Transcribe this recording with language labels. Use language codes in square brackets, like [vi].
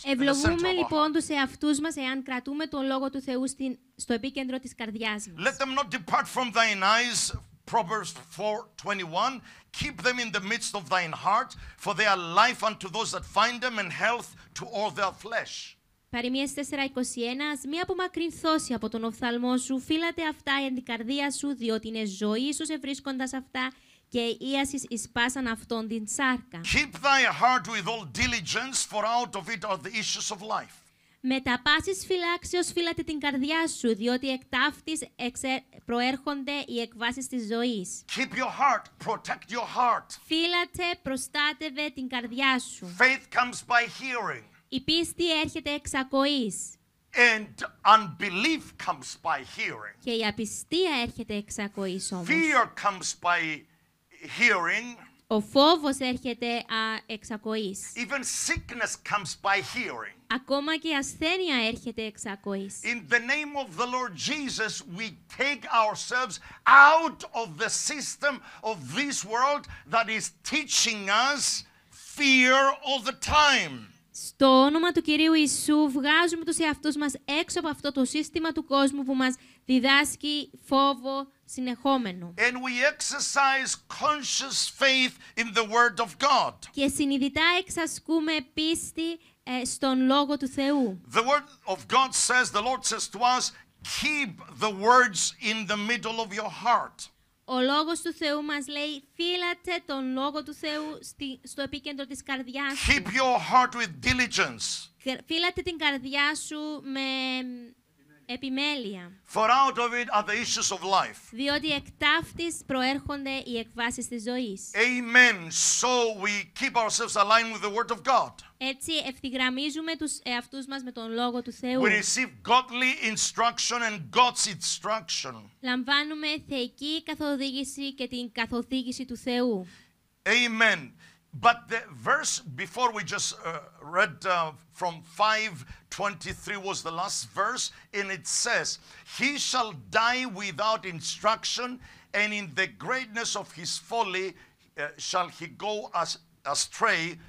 [el] Ευλογούμε λοιπόν τους εαυτούς μας εάν κρατούμε τον λόγο του Θεού στο επίκεντρο της καρδιάς μας. [en] Let them not depart from thine eyes, Proverbs 4:21, keep them in the midst of thine heart, for they are life unto those that find them and health to all their flesh. [el] Παροιμίες 4:21, ας μη απομακρυνθώσει από τον οφθαλμό σου, φύλατε αυτά εν την καρδία σου, διότι είναι ζωή σου ευρίσκοντας αυτά και ίασης εις πάσαν αυτόν την σάρκα. [en] Keep thy heart with all diligence, for out of it are the issues of life. [el] Με τα πάσης φυλάξεως φύλατε την καρδιά σου, διότι εκ ταύτης προέρχονται οι εκβάσεις της ζωής. [en] Keep your heart, protect your heart. [el] Φύλατε, προστάτευε την καρδιά σου. [en] Faith comes by hearing. [el] Η πίστη έρχεται εξ ακοής. [en] And unbelief comes by hearing. [el] Και η απιστία έρχεται εξ ακοής όμως. [en] Fear comes by hearing. [el] Ο φόβος έρχεται εξ ακοής. [en] Even sickness comes by hearing. [el] Ακόμα και η ασθένεια έρχεται εξ ακοής. [en] In the name of the Lord Jesus, we take ourselves out of the system of this world that is teaching us fear all the time. [el] Στο όνομα του Κυρίου Ιησού, βγάζουμε τους εαυτούς μας έξω από αυτό το σύστημα του κόσμου που μας διδάσκει φόβο συνεχόμενου. [en] And we exercise conscious faith in the Word of God. [el] Και συνειδητά εξασκούμε πίστη στον Λόγο του Θεού. [en] The Word of God says, the Lord says to us, keep the words in the middle of your heart. [el] Ο Λόγος του Θεού μας λέει, φύλατε τον Λόγο του Θεού στο επίκεντρο της καρδιάς σου. [en] Keep your heart with diligence. [el] Φύλατε την καρδιά σου με επιμέλεια. [en] For out of it are the issues of life. [el] Διότι εκ ταύτης προέρχονται οι εκβάσεις της ζωής. [en] Amen. So we keep ourselves aligned with the Word of God. [el] Έτσι ευθυγραμμίζουμε τους εαυτούς μας με τον Λόγο του Θεού. [en] We receive godly instruction and God's instruction. [el] Λαμβάνουμε θεϊκή καθοδήγηση και την καθοδήγηση του Θεού. [en] Amen. But the verse before we just read from 5:23 was the last verse, and it says, he shall die without instruction, and in the greatness of his folly shall he go astray.